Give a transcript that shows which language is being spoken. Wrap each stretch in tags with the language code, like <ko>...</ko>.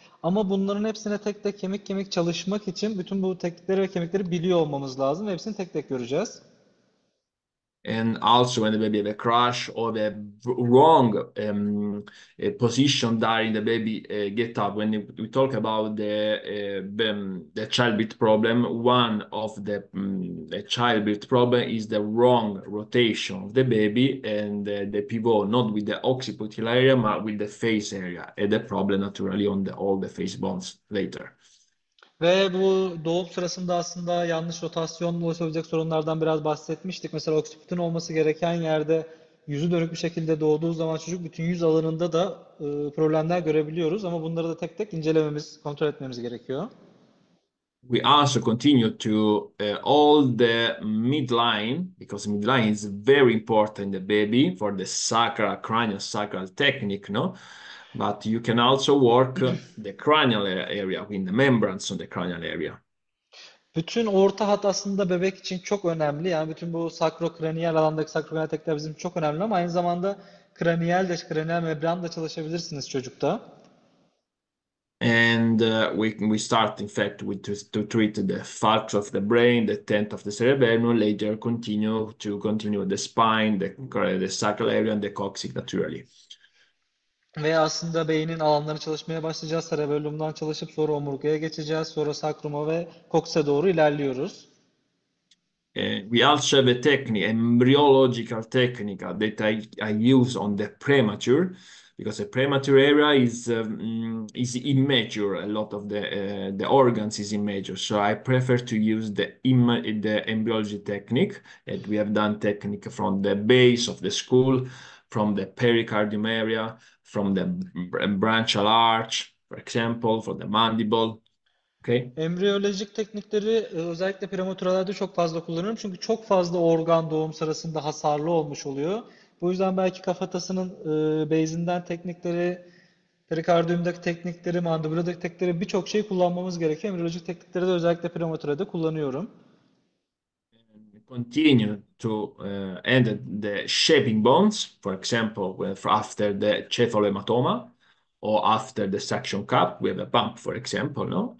<tr>Ama bunların hepsine tek tek kemik kemik çalışmak için bütün bu teknikleri ve kemikleri biliyor olmamız lazım. Hepsini tek tek göreceğiz.</tr> <en>And also when the baby have a crush or the wrong position during the baby get up. When we talk about the childbirth problem, one of the childbirth problem is the wrong rotation of the baby and the pivot, not with the occipital area, but with the face area. And the problem naturally on the all the face bones later.</en> <tr>Ve bu doğum sırasında aslında yanlış rotasyonla oluşabilecek sorunlardan biraz bahsetmiştik. Mesela oksipitin olması gereken yerde yüzü dönük bir şekilde doğduğu zaman çocuk bütün yüz alanında da problemler görebiliyoruz. Ama bunları da tek tek incelememiz, kontrol etmemiz gerekiyor.</tr> <en>We also continue to all the midline because midline is very important in the baby for the craniosacral technique, no? But you can also work the cranial area in the membranes on the cranial area.</en> <tr>Bütün orta hat aslında bebek için çok önemli. Yani bütün bu sakrokraniyal alandaki sakrokraniyal tekler bizim çok önemli ama aynı zamanda kraniyal membran da çalışabilirsiniz.</tr> <en>And we start in fact with to treat the fulcus of the brain, the tent of the cerebellum, later continue the spine, the sacral area and the coccyx naturally.</en> <tr>Ve aslında beynin alanlarını çalışmaya başlayacağız. Cerebellum'dan çalışıp sonra omurgaya geçeceğiz. Sonra sakruma ve kokse doğru ilerliyoruz.</tr> <en>We also have a technique, embryological technique that I use on the premature. Because a premature area is immature, a lot of the organs is immature. So I prefer to use the embryology technique that we have done technique from the base of the skull, from the pericardium area, from the branchial arch, for example, for the mandible. Okay.</en> <tr>Embriyolojik teknikleri özellikle prematürelerde çok fazla kullanıyorum. Çünkü çok fazla organ doğum sırasında hasarlı olmuş oluyor. Bu yüzden belki kafatasının bezinden teknikleri, perikardiyumdaki teknikleri, mandibülodaki teknikleri birçok şey kullanmamız gerekiyor. Embriyolojik teknikleri de özellikle prematürede kullanıyorum.</tr> <en>Continue to end the shaping bones, for example, with after the cephalohematoma or after the suction cup, we have a bump, for example, no?</en>